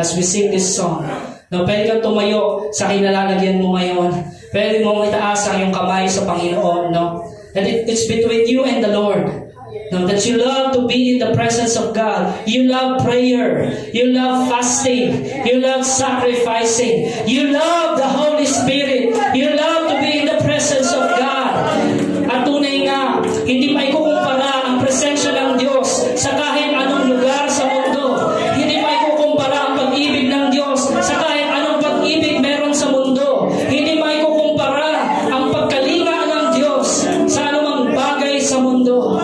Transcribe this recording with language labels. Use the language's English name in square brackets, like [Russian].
[English] As we sing this song, [Filipino] no, pwede kang tumayo sa kinalalagyan mo ngayon. Pwede mong itaas ang iyong kamay sa Panginoon. [English] No? And it's between you and the Lord. No, that you love to be in the presence of God. You love prayer. You love fasting. You love sacrificing. You love the Holy Spirit. You love to be in the presence of God. [Filipino] At tunay nga, hindi maikukumpara ang presensya ng Diyos sa kahit anong lugar sa mundo. Hindi maikukumpara ang pag-ibig ng Diyos sa kahit anong pag-ibig meron sa mundo. Hindi maikukumpara ang pagkalinga ng Diyos sa anumang bagay sa mundo.